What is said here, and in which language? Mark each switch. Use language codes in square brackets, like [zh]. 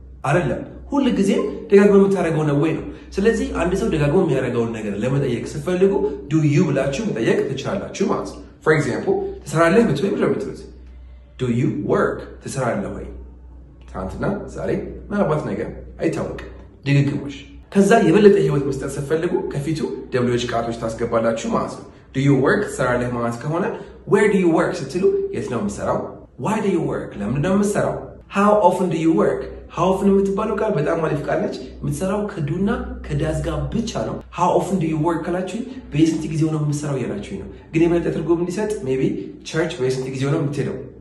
[am] አይደለም። ሁሉ ጊዜ ደጋግሞ የምታረጋው ነው ወይ ነው? ስለዚህ አንድ ሰው ደጋግሞ የሚያረጋው ነገር ለመጠየቅ ስትፈልጉ do you ብላችሁ መጠየቅ ትችላላችሁ ማለት ነው። For example, ትሰራለህ ወይ ምንድን ነው የምትሉት? [en] Do you work? [am] ትሰራለህ ወይ? ትናንትና፣ ዛሬ፣ ምናልባት ነገ አይታወቅም። ድግግሞሽ። ከዛ የበለጠ ህይወት መስጠት ስትፈልጉ ከፊቱ ደብሊዎች ቃላቶች ታስገባላችሁ ማለት ነው። [en] Do you work? [am] ሰራለህ ማለት ከሆነ [en] where do you work? [am] ስትሉ የት ነው የምሰራው? [en] Why do you work? [am] ለምን ነው የምሰራው? [en] How often do you work? [am] How often የምትባለው ቃል በጣም አሪፍ ቃል ነች። የምትሰራው ከዱና ከዳስ ጋር ብቻ ነው። [en] How often do you work [am] ካላችሁ በየስንት ጊዜ ነው የምሰራው ያላችሁ ነው። ግን የበለጠ ትርጉም እንዲሰጥ maybe church በየስንት ጊዜ ነው የምትሄደው?